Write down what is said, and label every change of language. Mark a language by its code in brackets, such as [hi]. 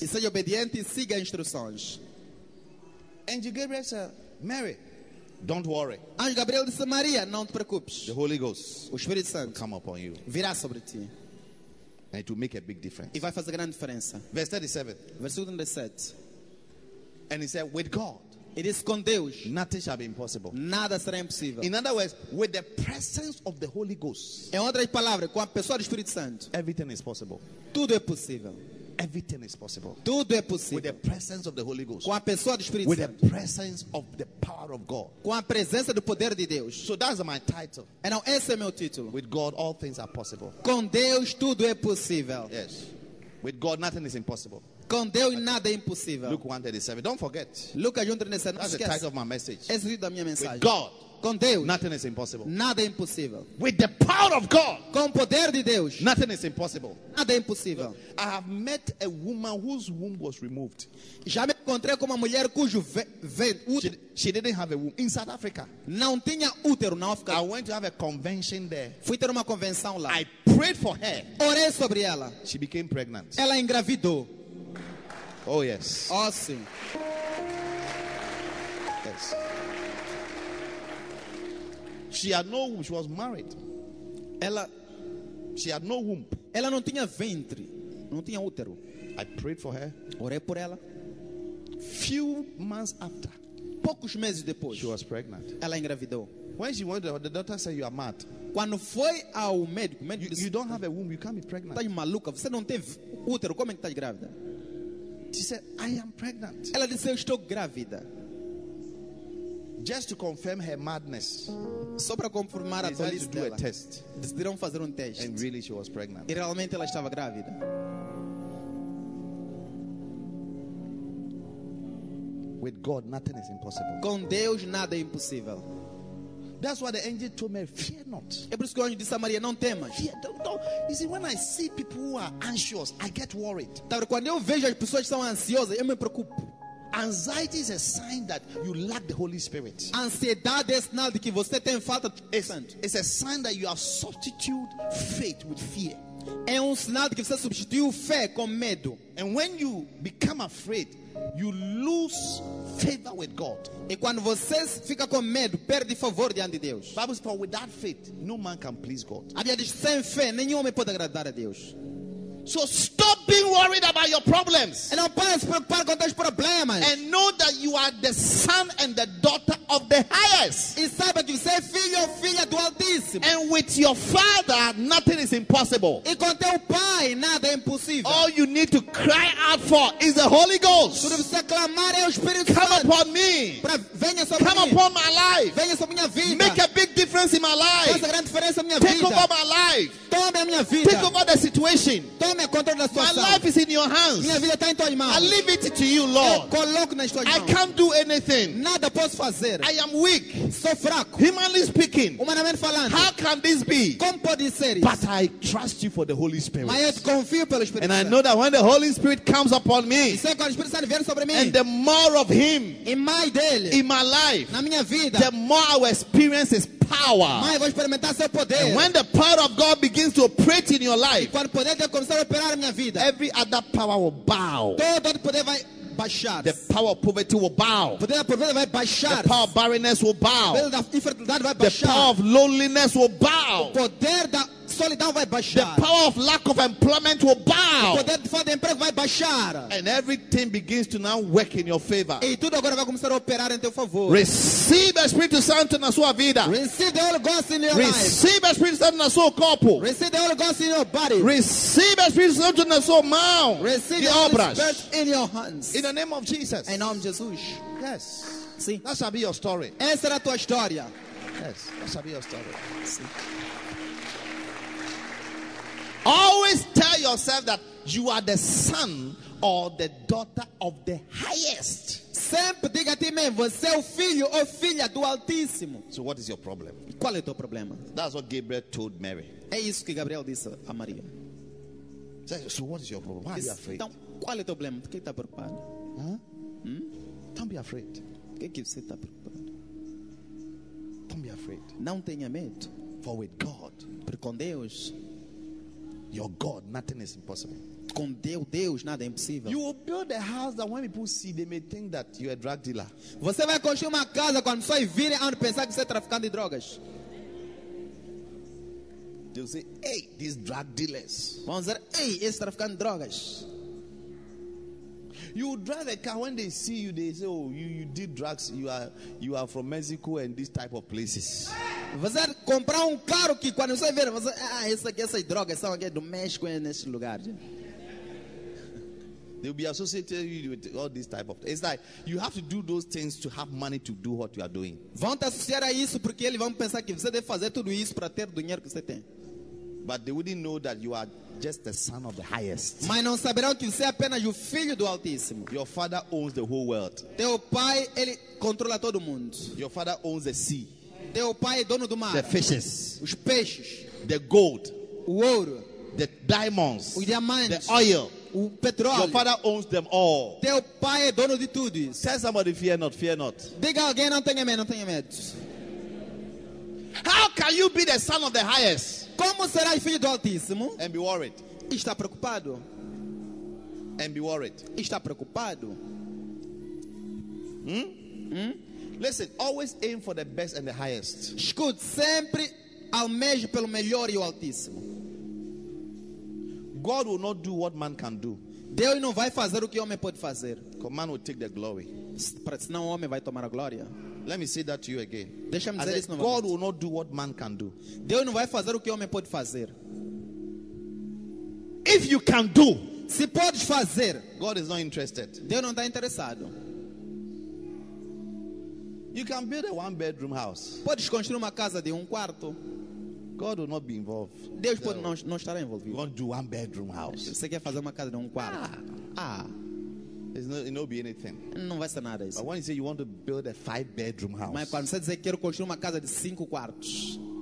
[pt] E seja obediente e siga instruções. Anjo Gabriel disse, [en] Mary, don't worry. [pt] Anjo Gabriel disse, Maria, não te preocupes. [en] The Holy Ghost, [pt] o Espírito Santo, [en] will come upon you. [pt] Virá sobre ti. [en] And it will make a big difference. [pt] E vai fazer grande diferença. [en] Verse 37. [pt] Versículo 37. [en] And he said, with God, it is [pt] com Deus, [en] nothing shall be impossible. [pt] Nada será impossível. [en] In other words, with the presence of the Holy Ghost, [pt] em outras palavras, com a pessoa do Espírito Santo, [en] everything is possible. [pt] Tudo é possível. [en] Everything is possible. [pt] Tudo é possível. [en] With the presence of the Holy Ghost. [pt] Com a pessoa do Espírito [en] With [pt] Santo. [en] The presence of the power of God. [pt] Com a presença do poder de Deus. [en] So that's my title. And now, [pt] esse é meu título. [en] With God, all things are possible. [pt] Com Deus, tudo é possível. [en] Yes. With God, nothing is impossible. [pt] Com Deus, okay. Nada é impossível. [en] Luke 1:37. Don't forget. [pt] Lucas 1:37. [en] That's the title of my message. [pt] Esse é o título da minha mensagem. [en] With God. [pt] Com Deus, [en] nothing is impossible. [pt] Nada é impossível. [en] With the power of God, [pt] com o poder de Deus, [en] nothing is impossible. [pt] Nada é impossível. [en] So, I have met a woman whose womb was removed. [pt] Já me encontrei com uma mulher cujo útero [en] she didn't have a womb in South Africa. [pt] Não tinha útero na África. [en] I went to have a convention there. [pt] Fui ter uma convenção lá. [en] I prayed for her. [pt] Orei sobre ela. [en] She became pregnant. [pt] Ela engravidou. [en] Oh yes. [pt] Oh sim. [en] Yes. She had no womb. She was married. She had no womb. [pt] Ela não tinha ventre. Não tinha útero. [en] I prayed for her. [pt] Orei por ela. [en] Few months after. [pt] Poucos meses depois. [en] She was pregnant. [pt] Ela engravidou. [en] When she went, the doctor said, "You are mad." [pt] Quando foi ao médico, o médico disse, [en] "You don't have a womb. You can't be pregnant." [pt] Tá maluca. Você não tem útero. Como é que tá grávida? [en] She said, "I am pregnant." [pt] Ela disse, "Eu estou grávida." [en] Just to confirm her madness. [pt] Só para confirmar a tolice dela. [en] Decided to do a test. [pt] Decidiram fazer teste. [en] And really she was pregnant. [pt] E realmente ela estava grávida. [en] With God, nothing is impossible. [pt] Com Deus, nada é impossível. [en] That's why the angel told me, fear not. [pt] É por isso que o anjo disse a Maria, não temas. [en] Fear, don't. You see, when I see people who are anxious, I get worried. [pt] Sabe, quando eu vejo as pessoas que são ansiosas, eu me preocupo. [en] Anxiety is a sign that you lack the Holy Spirit. [pt] Ansiedade é sinal de que você tem falta de Santo. [en] It's a sign that you have substituted faith with fear. [pt] É sinal de que você substituiu fé com medo. [en] And when you become afraid, you lose favor with God. [pt] E quando você fica com medo, perde favor diante de Deus. [en] Bible says, for without faith, no man can please God. [pt] A Bíblia diz, sem fé, nenhum homem pode agradar a Deus. [en] So stop being worried about your problems. [pt] E não pare de se preocupar com teus problemas. [en] And know that you are the son and the daughter of the highest. [pt] E saiba que você é filho ou filha do Altíssimo. [en] And with your father, nothing is impossible. [pt] E com teu pai, nada é impossível. [en] All you need to cry out for is the Holy Ghost. [pt] Tudo que você clamar é o Espírito Santo. [en] Come upon me. [pt] Venha sobre [en] mim. Come upon my life. [pt] Venha sobre minha vida. [en] Make a big difference in my life. [pt] Faça grande diferença na minha [en] Take [pt] vida. [en] Take over my life. [pt] Tome a minha vida. [en] Take over the situation. [pt] Tome a controle da situação. [en] My life is in your hands. [pt] Minha vida está em tuas mãos. [en] I leave it to you, Lord. [pt] Eu coloco nas tuas mãos. [en] I can't do anything. [pt] Nada posso fazer. [en] I am weak. [pt] Sou fraco. [en] Humanly speaking. [pt] Humanamente falando. [en] How can this be? [pt] Como pode ser? [en] But I trust you for the Holy Spirit. [pt] Mas eu confio pelo Espírito [en] Santo. And I know that when the Holy Spirit comes upon me. [pt] E sei que quando o Espírito Santo vier sobre mim. [en] And the more of him. [pt] E mais dele. [en] In my life. [pt] Na minha vida. [en] The more I will experience his power. [pt] Mãe, vou experimentar seu poder. [en] And when the power of God begins to operate in your life, [pt] e quando o poder de Deus começar a operar na minha vida, [en] every other power will bow. [pt] Todo outro poder vai baixar. [en] The power of poverty will bow. [pt] O poder da pobreza vai baixar. [en] The power of barrenness will bow. [pt] O poder da infertilidade vai baixar. [en] The power of loneliness will bow. [pt] O poder da solidão vai baixar. [en] The power of lack of employment will bow. [pt] O poder de falta de emprego vai baixar. [en] And everything begins to now work in your favor. [pt] E tudo agora vai começar a operar em teu favor. [en] Receive the Spirit [pt] Santo na sua vida. [en] Receive the Holy Ghost in your life. Receive the Spirit [pt] Santo na sua corpo. [en] Receive the Holy Ghost in your body. Receive the Spirit [pt] Santo na sua mão. [en] Receive the Holy Spirit in your hands. In the name of Jesus. [pt] Em nome de Jesus. [en] Yes. [pt] Sim. [en] That shall be your story. [pt] Essa será a tua história. [en] Yes. That shall be your story. [pt] Sim. [en] Always tell yourself that you are the son or the daughter of the highest. [pt] Sempre diga a ti mesmo, você é o filho ou filha do Altíssimo. [en] So what is your problem? [pt] Qual é o teu problema? [en] That's what Gabriel told Mary. [pt] É isso que Gabriel disse a Maria. [en] So what is your problem? Why are you afraid? [pt] Então, qual é o teu problema? Por que está preocupado? [en] Don't be afraid. [pt] Por que você está preocupado? [en] Don't be afraid. [pt] Não tenha medo. [en] For with God. [pt] Porque com Deus. [en] Your God, nothing is impossible. [pt] Com Deus, Deus, nada é impossível. [en] You will build a house that when people see, they may think that you are a drug dealer. [pt] Você vai construir uma casa quando só vire a pensar que você é traficante de drogas. [en] They will say, hey, these drug dealers. [pt] Vão dizer, hey, esse traficante de drogas. [en] You will drive a car when they see you, they say, oh, you did drugs. You are from Mexico and these type of places. [pt] Você comprar carro que quando você vê, você, ah, essa aqui, essas drogas são aqui do México, é nesse lugar. [en] They will be associated with all these type of. It's like you have to do those things to have money to do what you are doing. [pt] Vão te associar a isso porque eles vão pensar que você deve fazer tudo isso para ter o dinheiro que você tem. [en] But they wouldn't know that you are just the son of the highest. [pt] Mas não saberão que você é apenas o filho do Altíssimo. [en] Your father owns the whole world. [pt] Teu pai, ele controla todo mundo. [en] Your father owns the sea. [pt] Teu pai é dono do mar. [en] The fishes. [pt] Os peixes. [en] The gold. [pt] O ouro. [en] The diamonds. [pt] Os diamantes. [en] The oil. [pt] O petróleo. [en] Your father owns them all. [pt] Teu pai é dono de tudo isso. [en] Tell somebody, fear not, fear not. [pt] Diga alguém, não tenha medo, não tenha medo. [en] How can you be the son of the highest? [pt] Como será o filho do Altíssimo? [en] And be worried. [pt] Está preocupado. [en] And be worried. [pt] Está preocupado. [en] Listen, always aim for the best and the highest. [pt] Escute, sempre almeje pelo melhor e o Altíssimo. [en] God will not do what man can do. [pt] Deus não vai fazer o que homem pode fazer. [en] Because man will take the glory. [pt] Senão o homem vai tomar a glória. [en] Let me say that to you again. [pt] Deixa-me dizer isso [en] God will not do what man can do. [pt] Deus não vai fazer o que homem pode fazer. [en] If you can do, [pt] se podes fazer, [en] God is not interested. [pt] Deus não está interessado. [en] You can build a one-bedroom house. [pt] Podes construir uma casa de quarto. [en] God will not be involved. [pt] Deus pode não estar envolvido. [en] Won't do one-bedroom house. [pt] Você quer fazer uma casa de quarto? [en] It won't be anything. [pt] Não vai ser nada isso. [en] But when you say you want to build a five-bedroom house. [pt] Mas quando você diz que quer construir uma casa de cinco quartos.